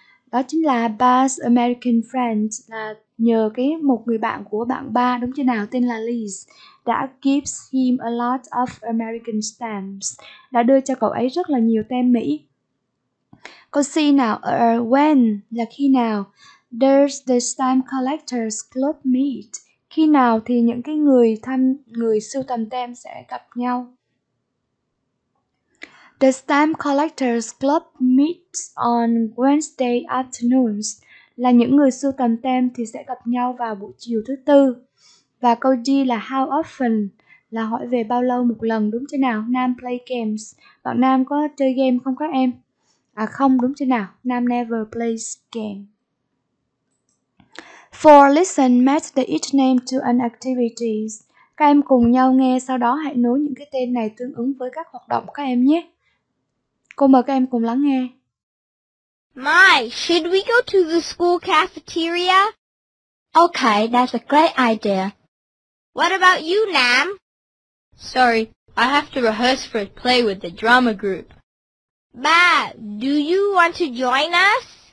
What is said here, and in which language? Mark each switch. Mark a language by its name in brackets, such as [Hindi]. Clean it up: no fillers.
[Vietnamese] Đó chính là [English] Ba's American friend, [Vietnamese] là nhờ cái một người bạn của bạn ba, đúng chưa nào, tên là Liz, đã [English] gives him a lot of American stamps, [Vietnamese] đã đưa cho cậu ấy rất là nhiều tem Mỹ. Câu C nào, [English] when, [Vietnamese] là khi nào? [English] Does the stamp collectors club meet? [Vietnamese] Khi nào thì những cái người sưu tầm tem sẽ gặp nhau? [English] The stamp collectors club meets on Wednesday afternoons. [Vietnamese] Là những người sưu tầm tem thì sẽ gặp nhau vào buổi chiều thứ tư. Và câu D là [English] how often, [Vietnamese] là hỏi về bao lâu một lần, đúng chưa nào? [English] Nam play games. [Vietnamese] Bạn Nam có chơi game không các em? À không, đúng chưa nào? [English] Nam never plays game. For listen, match the each name to an activity. [Vietnamese] Các em cùng nhau nghe, sau đó hãy nối những cái tên này tương ứng với các hoạt động các em nhé. Cô mời các em cùng lắng nghe. [English] My, should we go to the school cafeteria? Okay, that's a great idea. What about you, Nam? Sorry, I have to rehearse for a play with the drama group. Ba, do you want to join us?